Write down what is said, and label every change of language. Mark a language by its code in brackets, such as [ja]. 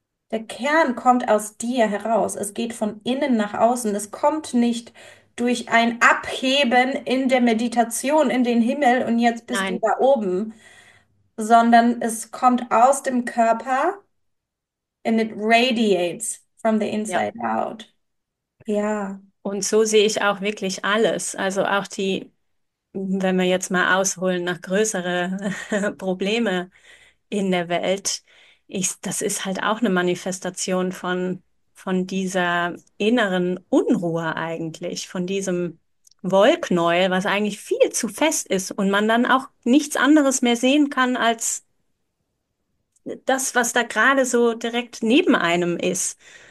[de] Der Kern kommt aus dir heraus. Es geht von innen nach außen. Es kommt nicht durch ein Abheben in der Meditation in den Himmel und jetzt bist du Nein. da oben, sondern es kommt aus dem Körper. [en] And it radiates from the inside out. [de] Ja. Und so sehe ich auch wirklich alles. Also auch die, wenn wir jetzt mal ausholen nach größere Probleme in der Welt, das ist halt auch eine Manifestation von dieser inneren Unruhe eigentlich, von diesem Wollknäuel, was eigentlich viel zu fest ist und man dann auch nichts anderes mehr sehen kann als das, was da gerade so direkt neben einem ist.